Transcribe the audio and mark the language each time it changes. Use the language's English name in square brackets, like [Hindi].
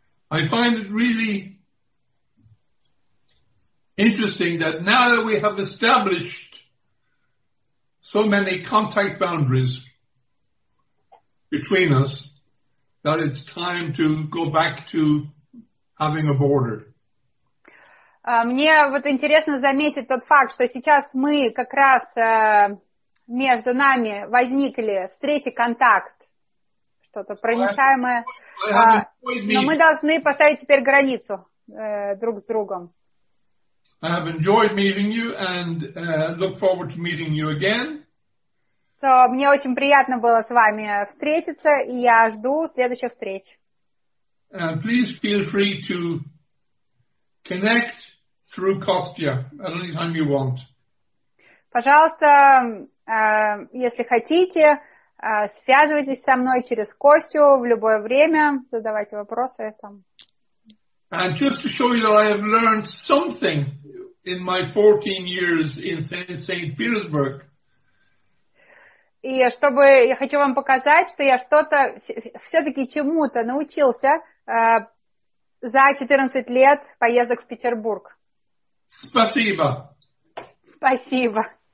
[English] I find it really interesting that now that we have established so many contact boundaries between us, that it's time to go back to having a border. [Russian] Мне вот интересно заметить тот факт, что сейчас мы как раз между нами возникли встречи, контакт, что-то проницаемое, но мы должны поставить теперь границу друг с другом. [English] I have enjoyed meeting you and look forward to meeting you again. [Russian] So, мне очень приятно было с вами встретиться, и я жду следующих встреч. [English] Please feel free to connect through Kostya at any time you want. [Russian] Пожалуйста, если хотите, связывайтесь со мной через Костю в любое время, задавайте вопросы там. [English] And just to show you that I have learned something in my 14 years in St. Petersburg. [Russian] И чтобы я хочу вам показать, что я что-то все-таки чему-то научился за 14 лет поездок в Петербург. Спасибо. Спасибо.